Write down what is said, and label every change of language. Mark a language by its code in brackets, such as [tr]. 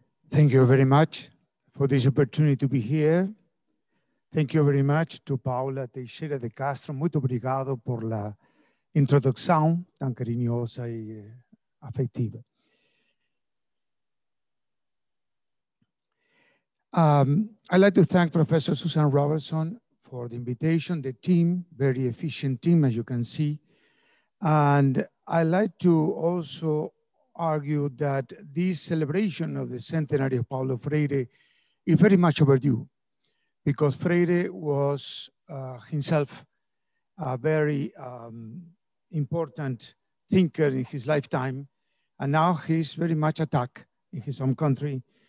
[en] Thank you very much for this opportunity to be here. Thank you very much to Paula Teixeira de Castro. [pt] Muito obrigado por la introdução tão carinhosa e afetiva. [en] I'd like to thank Professor Susan Robertson for the invitation, the team, very efficient team, as you can see. And I'd like to also argue that this celebration of the centenary of Paulo Freire is very much overdue, because Freire was himself a very important thinker in his lifetime, and now he's very much attacked in his own country.